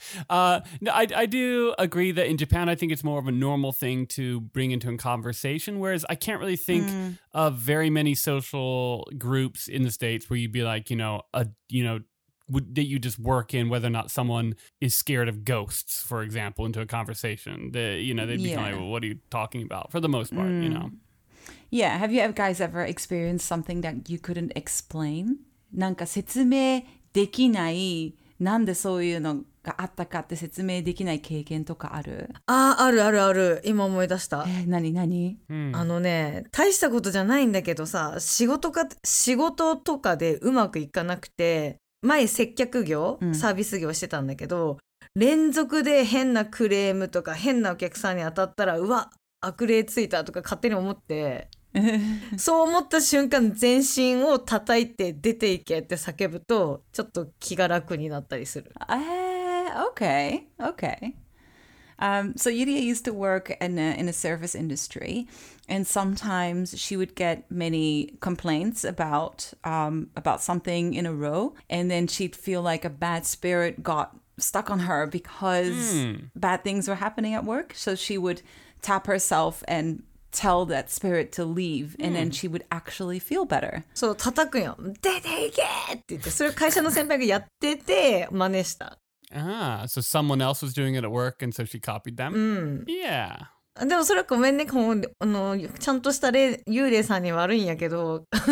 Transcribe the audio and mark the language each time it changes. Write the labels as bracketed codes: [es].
[en] I do agree that in Japan, I think it's more of a normal thing to bring into a conversation, whereas I can't really think of very many social groups in the States where you'd be like, you know, that you just work in whether or not someone is scared of ghosts, for example, into a conversation. They'd be like, well, what are you talking about? For the most part, you know. Yeah. Have you guys ever experienced something that you couldn't explain? [ja] なんか説明できない、なんでそういうのがあったかって説明できない経験とかある？あ、あるあるある。今思い出した。何何？あのね、大したことじゃないんだけどさ、仕事とかでうまくいかなくて、前接客業、サービス業してたんだけど、連続で変なクレームとか変なお客さんに当たったら、うわ、悪霊ついたとか勝手に思って、そう思った瞬間全身を叩いて出ていけって叫ぶとちょっと気が楽になったりする。 [en] Okay. So Yuria used to work in a service industry, and sometimes she would get many complaints about something in a row, and then she'd feel like a bad spirit got stuck on her because bad things were happening at work, so she would tap herself andtell that spirit to leave, and then she would actually feel better. [ja] そう、叩くよ。出ていけって言って、それ会社の先輩がやってて真似した。 [en] Ah, so someone else was doing it at work, and so she copied them? Yeah. [ja] でもそれはごめんね、ちゃんとした幽霊さんに悪いんやけど。